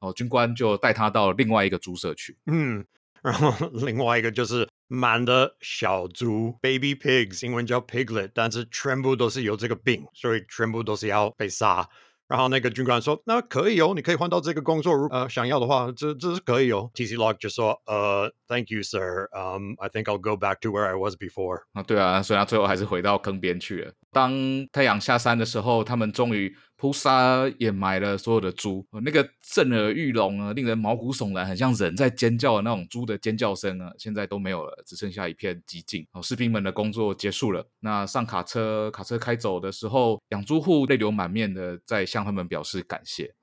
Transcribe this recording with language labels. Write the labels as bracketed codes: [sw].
[zh] 军官就带他到另外一个猪舍去。然后另外一个就是满的小猪 [en] baby pigs， [zh] 英文叫 piglet， 但是全部都是有这个病，所以全部都是要被杀。然后那个军官说，那可以哦，你可以换到这个工作，想要的话 这是可以哦。 [en] TC Lok [zh] 就说 [en] Thank you sir, I think I'll go back to where I was before。 [zh] 对啊，所以他最后还是回到坑边去了。当太阳下山的时候，他们终于扑杀掩埋了所有的猪，那个震耳欲聋啊，令人毛骨悚然，很像人在尖叫的那种猪的尖叫声啊，现在都没有了，只剩下一片寂静。士兵们的工作结束了，那上卡车，卡车开走的时候，养猪户泪流满面的在向他们表示感谢。